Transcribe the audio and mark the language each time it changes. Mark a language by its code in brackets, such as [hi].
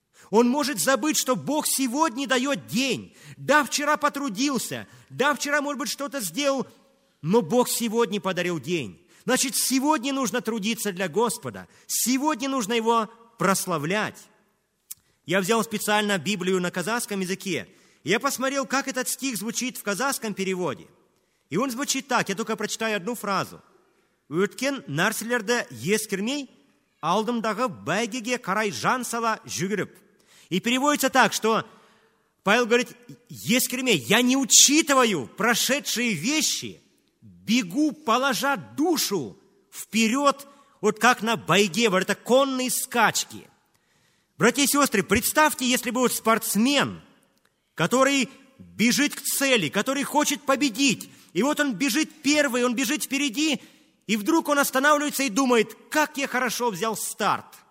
[ru] Он может забыть, что Бог сегодня дает день. Да, вчера потрудился, да, вчера, может быть, что-то сделал, но Бог сегодня подарил день. Значит, сегодня нужно трудиться для Господа, сегодня нужно Его прославлять. Я взял специально Библию на казахском языке. Я посмотрел, как этот стих звучит в казахском переводе. И он звучит так, я только прочитаю одну фразу. [kk] «Уткен нарселерді ескермей, алдымдағы байгеге қарай жан сала жүгіріп». [ru] И переводится так, что Павел говорит, «Ескермей, я не учитываю прошедшие вещи, бегу, положа душу вперед, вот как на байге, вот это конные скачки». Братья и сестры, представьте, если бы вот спортсмен, который бежит к цели, который хочет победить, и вот он бежит первый, он бежит впереди, и вдруг он останавливается и думает, как я хорошо взял старт.